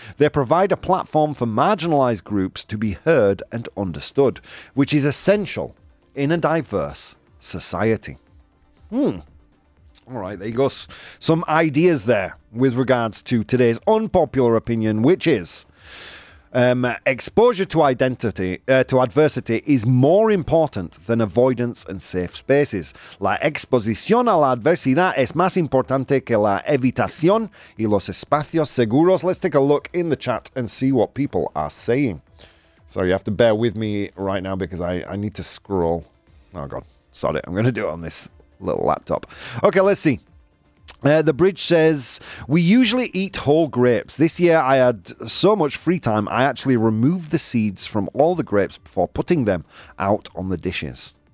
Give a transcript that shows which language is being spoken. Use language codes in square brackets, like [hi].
[en] They provide a platform for marginalized groups to be heard and understood, which is essential in a diverse society. All right, there you go. Some ideas there with regards to today's unpopular opinion, which is exposure to adversity is more important than avoidance and safe spaces. [es] La exposición a la adversidad es más importante que la evitación y los espacios seguros. [en] Let's take a look in the chat and see what people are saying. Sorry, you have to bear with me right now because I need to scroll. Oh, God. Sorry, I'm going to do it on this little laptop. Okay, let's see. The Bridge says, we usually eat whole grapes. This year I had so much free time, I actually removed the seeds from all the grapes before putting them out on the dishes.